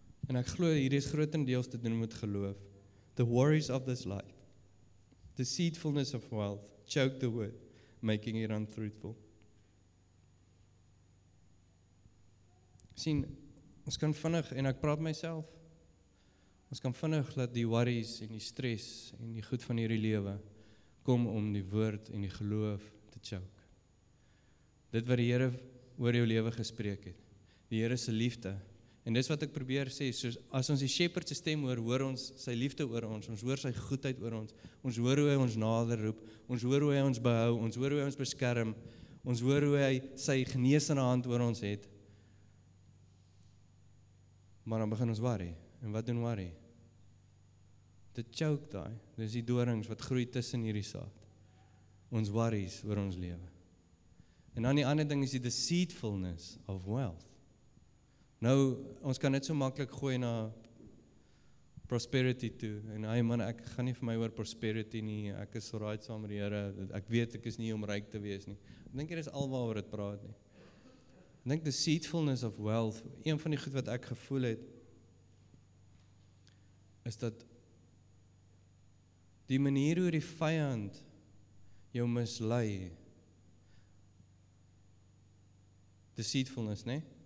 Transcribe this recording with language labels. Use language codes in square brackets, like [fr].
[af] En ek glo, hier is grotendeels te doen met geloof. [en] The worries of this life, deceitfulness of wealth choke the word, making it unfruitful. [af] Sien, ons kan vinnig, en ek praat myself, ons kan vinnig dat die worries en die stress en die goed van hierdie lewe kom om die woord en die geloof te choke. Dit wat die Here oor jou lewe gespreek het, die Here se liefde En dis wat ek probeer sê, soos as ons die shepherd se stem hoor, hoor ons sy liefde oor ons, ons hoor sy goedheid oor ons, ons hoor hoe hy ons nader roep, ons hoor hoe hy ons behou, ons hoor hoe hy ons beskerm, ons hoor hoe hy sy geneesende hand oor ons het. Maar dan begin ons worry. En wat doen worry? Dit choke daai, dis die dorings wat groei tussen hierdie saad. Ons worries oor ons lewe. En dan die ander ding is die [en] deceitfulness of wealth. [af] Nou, ons kan net so makkelijk gooi na prosperity toe. En hy man, ek gaan nie vir my oor prosperity nie, ek is so right saam met die Here, ek weet ek is nie om ryk te wees nie. Ek dink hier is al waaroor dit praat nie. Ek dink [en] deceitfulness of wealth, [af] een van die goed wat ek gevoel het, is dat die manier hoe die vyand jou mislei, deceitfulness, nee?